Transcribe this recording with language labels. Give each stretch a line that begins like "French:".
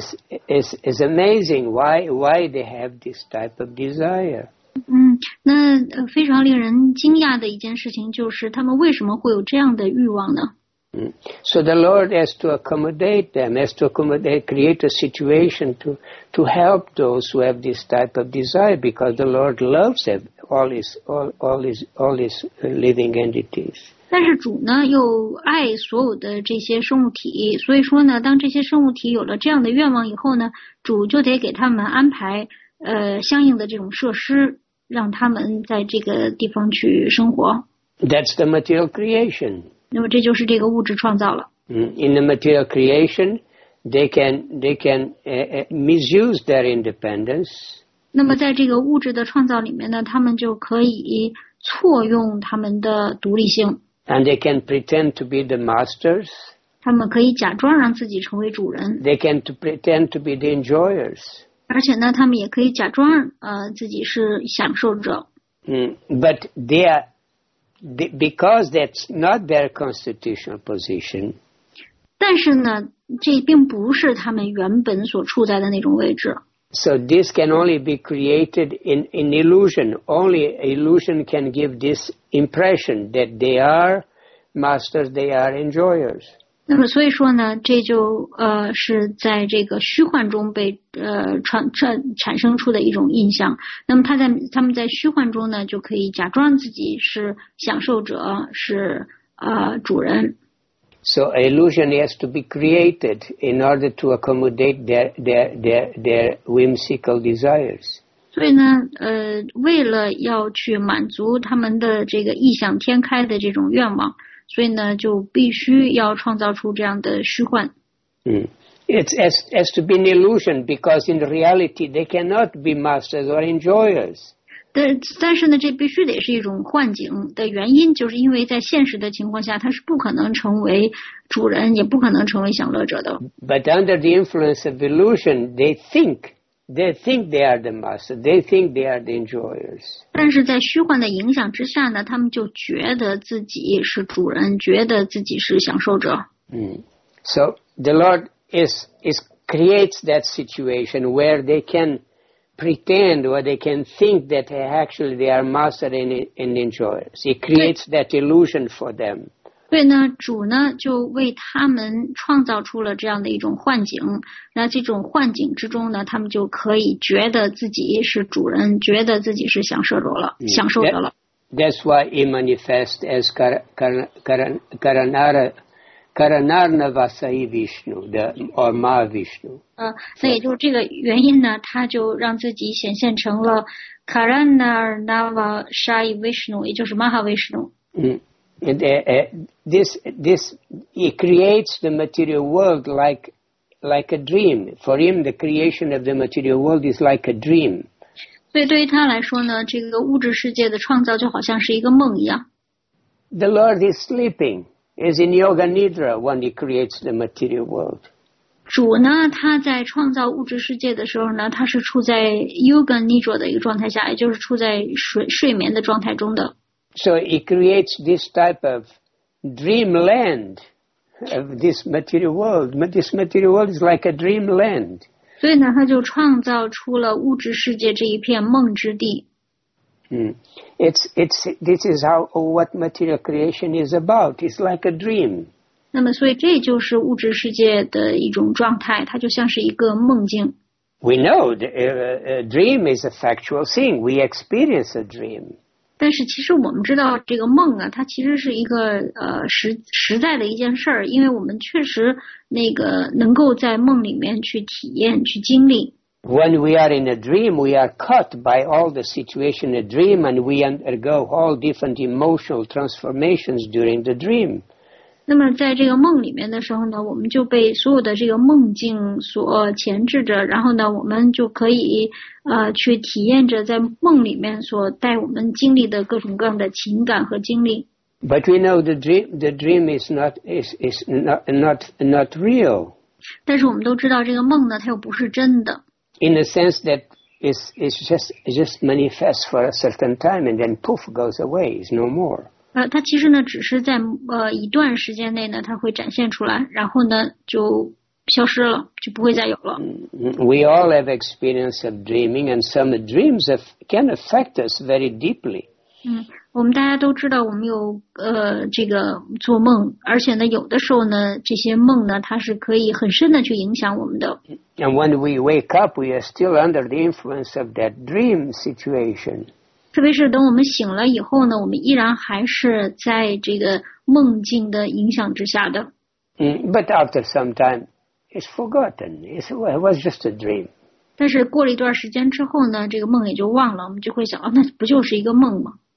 English: It's amazing why they have this type of desire.
Chinese: 那非常令人惊讶的一件事情就是他们为什么会有这样的欲望呢？
English: So the Lord has to accommodate them, has to accommodate, create a situation to help those who have this type of desire, because the Lord loves all his living entities.
Chinese: 但是主呢又爱所有的这些生物体，所以说呢，当这些生物体有了这样的愿望以后呢，主就得给他们安排相应的这种设施，让他们在这个地方去生活。
English: That's the material creation.
Chinese: 那么这就是这个物质创造了。
English: In the material creation, they can misuse their independence.
Chinese: 那么在这个物质的创造里面呢，他们就可以错用他们的独立性。
English: And they can pretend to be the masters.
Chinese: 他们可以假装让自己成为主人。
English: They can pretend to be the enjoyers.
Chinese: 而且呢，他们也可以假装自己是享受者。
English: But they are. Because that's not their constitutional position.
Chinese: 但是呢，这并不是他们原本所处在的那种位置。
English: So this can only be created in illusion. Only illusion can give this impression that they are masters, they are enjoyers.
Chinese: 那么所以说呢，这就是在这个虚幻中被产生出的一种印象。那么他们在虚幻中呢，就可以假装自己是享受者，是主人。
English: So illusion has to be created in order to accommodate their whimsical desires.
Chinese: 所以呢，为了要去满足他们的这个异想天开的这种愿望。所以呢，就必须要创造出这样的虚幻。
English: It has to be an illusion because in reality they cannot be masters or enjoyers.
Chinese: 但是呢，这必须得是一种幻境的原因，就是因为在现实的情况下，它是不可能成为主人，也不可能成为享乐者的。
English: But under the influence of illusion, they think they are the master, they think they are the enjoyers.
Chinese: 但是在虚幻的影响之下呢，他们就觉得自己是主人，觉得自己是享受者。
English: So the Lord creates that situation where they can pretend or they can think that actually they are master and enjoyers. He creates that illusion for them.
Chinese: 对呢，主呢就为他们创造出了这样的一种幻境。那这种幻境之中呢，他们就可以觉得自己是主人，觉得自己是享受者了，享受者了。
English: That's why he manifests as Karanarna Vasai Vishnu, or Mahavishnu.
Chinese: 那也就是这个原因呢，他就让自己显现成了 Karanarna Vasai Vishnu, 也就是 Mahavishnu.
English: This he creates the material world like a dream. For him, the creation of the material world is like a dream.
Chinese: 所以对于他来说呢，这个物质世界的创造就好像是一个梦一样。
English: The Lord is sleeping. Is in yoga nidra when he creates the material world.
Chinese: 主呢，他在创造物质世界的时候呢，他是处在 yoga nidra 的一个状态下，也就是处在睡眠的状态中的。
English: So he creates this type of dreamland of this material world. This material world is like a dreamland.
Chinese: 所以呢，他就创造出了物质世界这一片梦之地。
English: This is what material creation is about. It's like a dream.
Chinese: 那么，所以这就是物质世界的一种状态，它就像是一个梦境。
English: We know the dream is a factual thing. We experience a dream.
Chinese: 但是，其实我们知道这个梦啊，它其实是一个实在的一件事儿，因为我们确实那个能够在梦里面去体验、去经历。
English: When we are in a dream, we are caught by all the situation in a dream, and we undergo all different emotional transformations during the dream.
Chinese: 那么在这个梦里面的时候呢，我们就被所有的这个梦境所钳制着，然后呢，我们就可以去体验着在梦里面所带我们经历的各种各样的情感和经历。
English: But we know the dream is not real.
Chinese: 但是我们都知道这个梦呢，它又不是真的。
English: In the sense that it's just manifest for a certain time and then poof goes away, it's no more.
Chinese: 它其实呢，只是在一段时间内呢，它会展现出来，然后呢就消失了，就不会再有了。
English: We all have experience of dreaming, and some dreams can affect us very deeply.
Chinese: 我们大家都知道，我们有这个做梦，而且呢，有的时候呢，这些梦呢，它是可以很深的去影响我们的。
English: And when we wake up, we are still under the influence of that dream situation.
Chinese: 特别是等我们醒了以后呢，我们依然还是在这个梦境的影响之下的。
English: But after some time, it's forgotten. It was just a dream.
Chinese: 但是过了一段时间之后呢，这个梦也就忘了，我们就会想，那不就是一个梦吗？